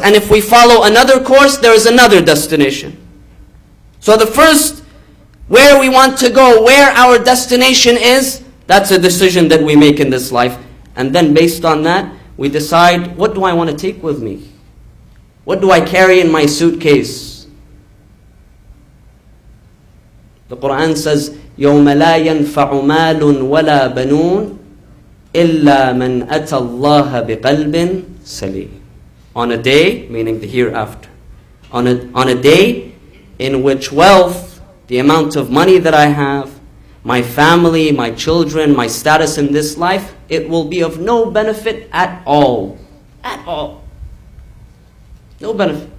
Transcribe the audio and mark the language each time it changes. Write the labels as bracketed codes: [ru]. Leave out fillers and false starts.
[en] And if we follow another course, there is another destination. So the first, where we want to go, where our destination is, that's a decision that we make in this life. And then based on that, we decide, what do I want to take with me? What do I carry in my suitcase? The Quran says, [ar] يَوْمَ لَا يَنْفَعُ مَالٌ وَلَا بَنُونَ إِلَّا مَنْ أَتَى اللَّهَ بِقَلْبٍ سَلِيمٍ. [en] On a day, meaning the hereafter, on a day in which wealth, the amount of money that I have, my family, my children, my status in this life, it will be of no benefit at all. At all. No benefit.